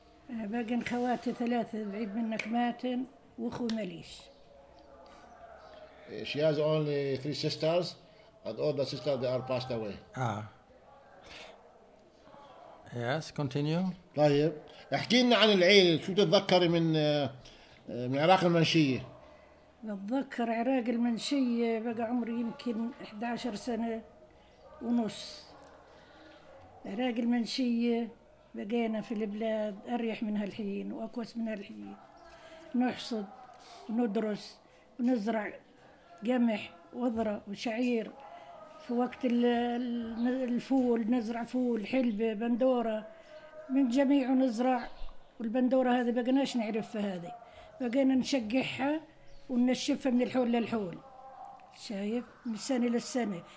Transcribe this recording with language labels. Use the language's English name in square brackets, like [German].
[Arabic] باقي خواتي ثلاثة بعيد منك ماتن واخوي مليش. [English] She has only three sisters and all the sisters they are passed away. Yes, continue. [Arabic] طيب احكي لنا عن العيلة, شو تتذكري من من عراق المنشية؟ بتذكر عراق المنشية بقى عمري يمكن 11 سنة ونص. عراق المنشية بقينا في البلاد أريح من هالحين وأكوس من هالحين, نحصد وندرس ونزرع قمح وذرة وشعير, في وقت الفول نزرع فول حلبة بندورة من جميع نزرع, والبندورة هذه بقناش نعرفها, هذه بقينا نشقحها وننشفها من الحول للحول, شايف, من السنة للسنة.